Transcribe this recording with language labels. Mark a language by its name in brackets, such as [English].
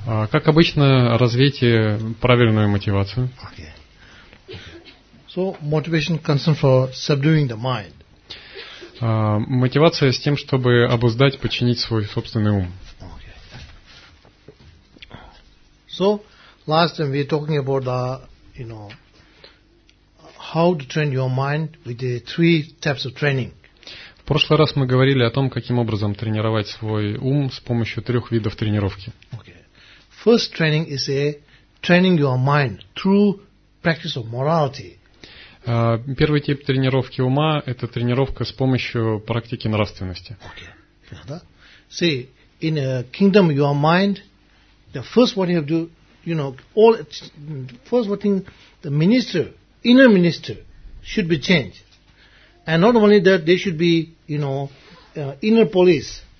[Russian] Как обычно, развейте правильную мотивацию. [English] Okay. So motivation concerned for subduing the mind. [Russian] Мотивация с тем, чтобы обуздать, подчинить свой собственный ум. [English] Okay. So last time we were talking about the, you know, how to train your mind with the three types of training. [Russian] В прошлый раз мы говорили о том, каким образом тренировать свой ум с помощью трех видов тренировки. [English] Okay. First training is a training your mind through practice of morality. [Russian] Первый тип тренировки ума – это тренировка с помощью практики нравственности. [English] Okay. See, in a kingdom your mind, the first what you have to do, you know, all first what thing the minister, inner minister, should be changed. And not only that, there should be, you know, inner police.